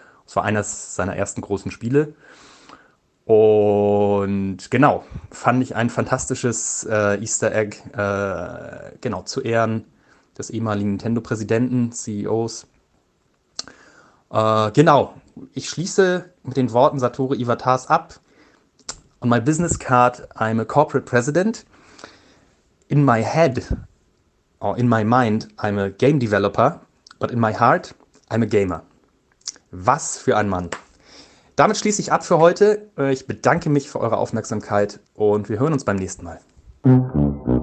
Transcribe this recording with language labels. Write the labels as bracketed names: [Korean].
[German] Das war eines seiner ersten großen Spiele. Und genau, fand ich ein fantastisches Easter Egg, genau, zu Ehren des ehemaligen Nintendo-Präsidenten, CEOs. Genau, ich schließe mit den Worten Satoru Iwatas ab. [English] On my business card, I'm a corporate president. In my head, or in my mind, I'm a game developer. But in my heart, I'm a gamer. [German] Was für ein Mann. Damit schließe ich ab für heute. Ich bedanke mich für eure Aufmerksamkeit und wir hören uns beim nächsten Mal.